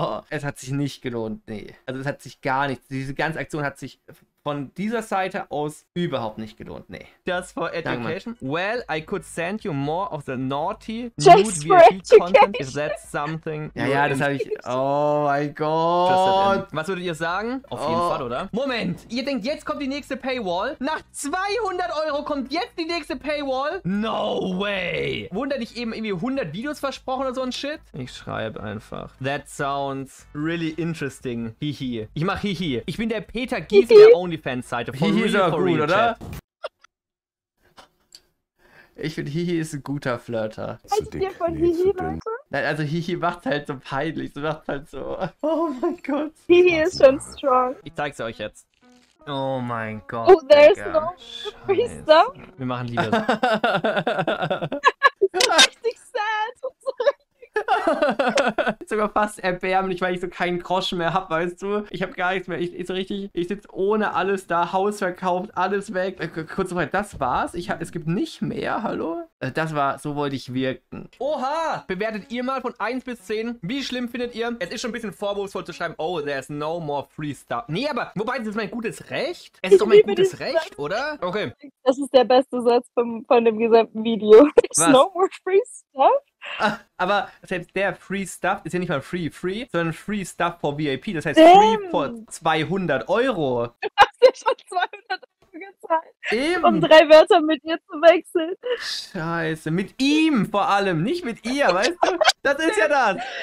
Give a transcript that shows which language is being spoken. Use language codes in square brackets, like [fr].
[de] Es hat sich nicht gelohnt, nee. Also es hat sich gar nicht, diese ganze Aktion hat sich von dieser Seite aus überhaupt nicht gelohnt, nee. [en] Just for education. Well, I could send you more of the naughty nude VIP content. Is that something? [de] Ja, das habe ich. Oh mein Gott. Was würdet ihr sagen? Auf jeden Fall, oder? Moment, ihr denkt, jetzt kommt die nächste Paywall? Nach 200 Euro kommt jetzt die nächste Paywall? [en] No way. [de] Wundert dich eben irgendwie 100 Videos versprochen oder so ein Shit? Ich schreibe einfach. That sounds really interesting. Hihi. Ich mach hihi. Ich bin der Peter Giesel. OnlyFans-Seite. Hihi ist aber gut, oder? Ich finde, Hihi ist ein guter Flirter. Hast du dir von Hihi warte? Nein, also Hihi macht halt so peinlich. Sie macht halt so. Oh mein Gott. Hihi ist schon strong. Ich zeig's euch jetzt. Oh mein Gott. [en] Oh, there is no free stuff. [de] Wir machen lieber so. Richtig sad. Sogar fast erbärmlich, weil ich so keinen Groschen mehr habe, weißt du? Ich habe gar nichts mehr. Ich sitze ohne alles da, Haus verkauft, alles weg. Kurze Frage, das war's? Es gibt nicht mehr, hallo? Das war, so wollte ich wirken. Oha! Bewertet ihr mal von 1 bis 10. Wie schlimm findet ihr? Es ist schon ein bisschen vorwurfsvoll zu schreiben, [en] oh, there's no more free stuff. [de] Nee, aber wobei, das ist mein gutes Recht. Es ist doch mein gutes Recht, oder? Okay. Das ist der beste Satz von dem gesamten Video. [en] There's no more free stuff. [de] Aber selbst der Free Stuff ist ja nicht mal free, sondern Free Stuff for VIP. Das heißt, Damn. [en] Free for 200 Euro. [de] Du hast ja schon 200 Euro gezahlt, um drei Wörter mit ihr zu wechseln. Scheiße, mit ihm vor allem, nicht mit ihr, weißt du? Das ist ja das.